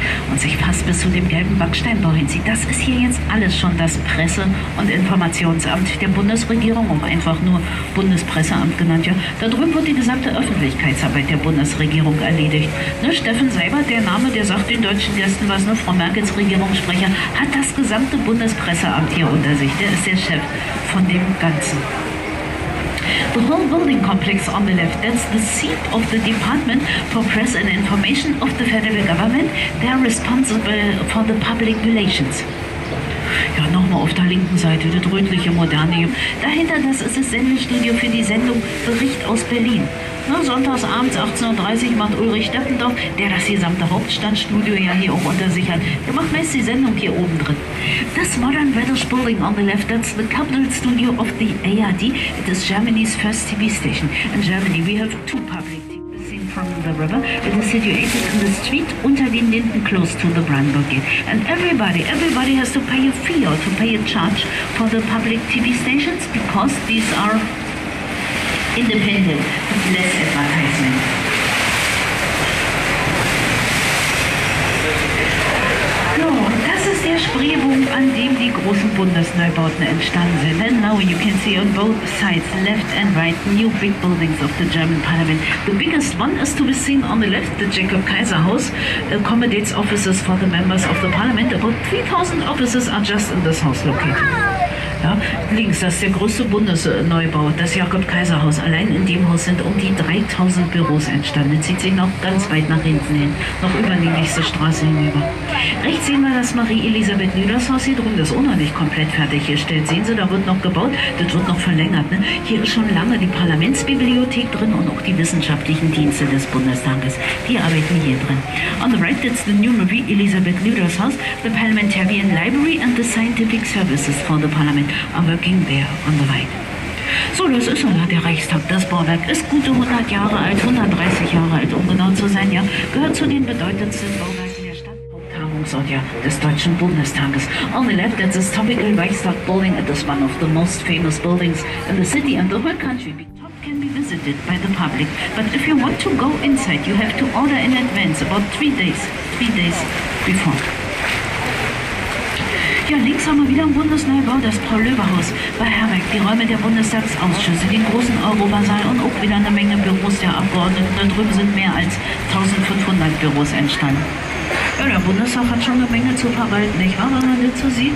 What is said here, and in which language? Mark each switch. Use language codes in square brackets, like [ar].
[de] und sich fast bis zu dem gelben Backsteinbau hinzieht. Das ist hier jetzt alles schon das Presse- und Informationsamt der Bundesregierung, um einfach nur Bundespresseamt genannt. Ja, da drüben wird die gesamte Öffentlichkeitsarbeit der Bundesregierung erledigt. Ne, Steffen Seibert, der Name, der sagt den deutschen Gästen was, ne, Frau Merkels Regierungssprecher, hat das gesamte Bundespresseamt hier unter sich. Der ist der Chef von dem Ganzen. [en] The whole building complex on the left, that's the seat of the Department for Press and Information of the Federal Government. They're responsible for the public relations. [de] Ja, nochmal auf der linken Seite, das rötliche Modernium. Dahinter, das ist das Sendestudio für die Sendung Bericht aus Berlin. Na, sonntagsabends 18.30 Uhr macht Ulrich Steppendorf, der das gesamte Hauptstadtstudio ja hier auch unter sich hat. Der macht meist die Sendung hier oben drin. [en] This modern British building on the left, that's the capital studio of the ARD. It is Germany's first TV station. In Germany we have two public TV. From the river, it is situated in the street unter den Linden, close to the Brandenburg Gate. And everybody has to pay a fee or to pay a charge for the public TV stations, because these are independent, less advertisement. [de] Der Spreebogen, an dem die großen Bundesneubauten entstanden sind. [en] And now you can see on both sides, left and right, new big buildings of the German Parliament. The biggest one is to be seen on the left, the Jacob Kaiser House, accommodates offices for the members of the Parliament. About 3000 offices are just in this house located. [de] Ja, links, das ist der größte Bundesneubau, das Jakob Kaiser Haus. Allein in dem Haus sind um die 3000 Büros entstanden. Das zieht sich noch ganz weit nach hinten hin, noch über die nächste Straße hinüber. Rechts sehen wir das Marie-Elisabeth-Lüders-Haus hier drüben. Das ist auch noch nicht komplett fertiggestellt. Sehen Sie, da wird noch gebaut, das wird noch verlängert. Ne? Hier ist schon lange die Parlamentsbibliothek drin und auch die wissenschaftlichen Dienste des Bundestages. Die arbeiten hier drin. [en] On the right, it's the new Marie-Elisabeth-Lüders-Haus, the Parliamentarian Library and the Scientific Services for the Parliament. I'm working there on the right. [de] So, das ist ja der Reichstag. Das Bauwerk ist gute 100 Jahre alt, 130 Jahre alt, um genau zu sein. Ja, gehört zu den bedeutendsten Bauwerken. Ja, des Deutschen Bundestages. [en] On the left, that's this topical Reichstag building. It is one of the most famous buildings in the city and the whole country. The top can be visited by the public. But if you want to go inside, you have to order in advance, about three days before. [de] Ja, links haben wir wieder ein Bundesneubau, das Paul-Löbe-Haus bei Herbeck. Die Räume der Bundestagsausschüsse, den großen Europasaal und auch wieder eine Menge Büros der Abgeordneten. Da drüben sind mehr als 1500 Büros entstanden. Ja, der Bundestag hat schon eine Menge zu verwalten, nicht wahr, wenn man das so sieht?